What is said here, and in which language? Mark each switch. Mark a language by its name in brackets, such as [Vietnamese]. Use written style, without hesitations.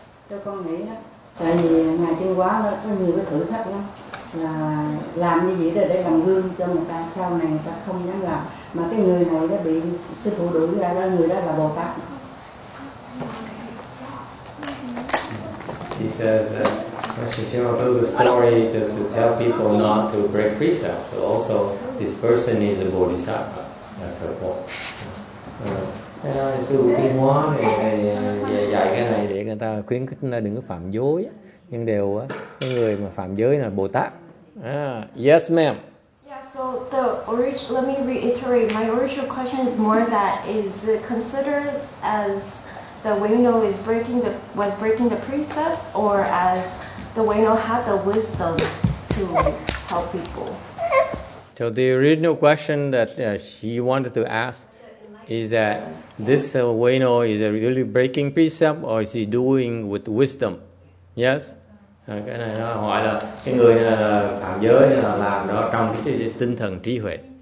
[Vietnamese] Cho con nghĩ đó. Tại vì Ngài Chân Quá có nhiều cái thử thách lắm. Là làm như vậy để làm gương cho người ta sau này người ta không dám làm. Mà cái người này đã bị sư phụ đuổi ra đó, người đó là Bồ Tát. [English] He says that Master Shiva told the story to tell people not to break precept. So also, this person is a bodhisattva. That's her point. [Vietnamese] Sư phụ Kinh Hóa dạy cái này để người ta khuyến khích người ta đừng có phạm giới. Nhưng đều cái người mà phạm giới là Bồ Tát. [English] Yes, ma'am. Yeah, so the let me reiterate. My original question is more that is it considered as the Wayno is breaking the was breaking the precepts, or as the Wayno had the wisdom to help people. So the original question that she wanted to ask is that this Wayno is really breaking precept, or is he doing with wisdom? Yes. [Vietnamese] Cái này nó hỏi là cái người là phạm giới là làm đó trong cái tinh thần trí huệ.